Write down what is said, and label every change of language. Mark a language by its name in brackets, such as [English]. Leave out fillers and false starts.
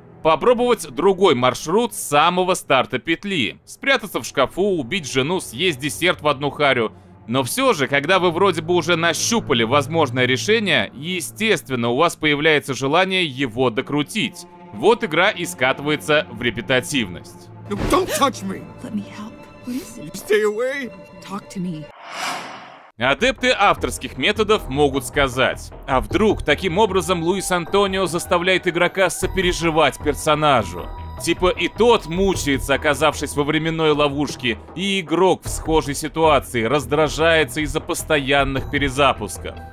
[Russian] Попробовать другой маршрут с самого старта петли. Спрятаться в шкафу, убить жену, съесть десерт в одну харю. Но все же, когда вы вроде бы уже нащупали возможное решение, естественно, у вас появляется желание его докрутить. Вот игра и скатывается в репетативность. [English] Don't touch me. Let me help, please. Stay away. Talk to me. [Russian] Адепты авторских методов могут сказать: а вдруг таким образом Луис Антонио заставляет игрока сопереживать персонажу? Типа и тот мучается, оказавшись во временной ловушке, и игрок в схожей ситуации раздражается из-за постоянных перезапусков.